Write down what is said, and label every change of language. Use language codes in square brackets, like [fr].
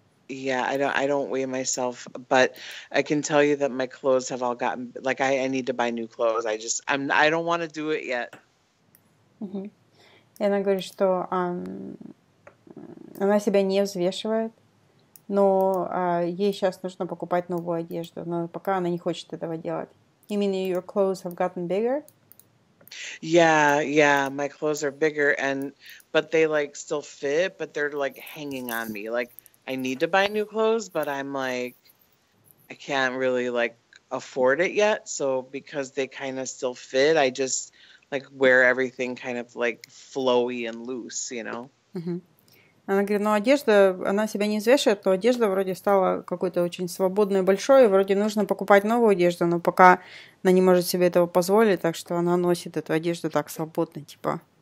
[en] I don't weigh myself, but I can tell you that my clothes have all gotten, like I need to buy new clothes. I don't want to do it yet. [ru] И она говорит, что она себя не взвешивает. Но ей сейчас нужно покупать новую одежду, но пока она не хочет этого делать. [en] You mean your clothes have gotten bigger? Yeah, my clothes are bigger, but they like still fit, but they're like hanging on me. Like I need to buy new clothes, but I'm like I can't really like afford it yet. So because they kind of still fit, I just like wear everything kind of like flowy and loose, you know? [ru] Она говорит, ну одежда, она себя не взвешивает, то одежда вроде стала какой-то очень свободной, большой, и вроде нужно покупать новую одежду, но пока она не может себе этого позволить, так что она носит эту одежду так свободно, типа.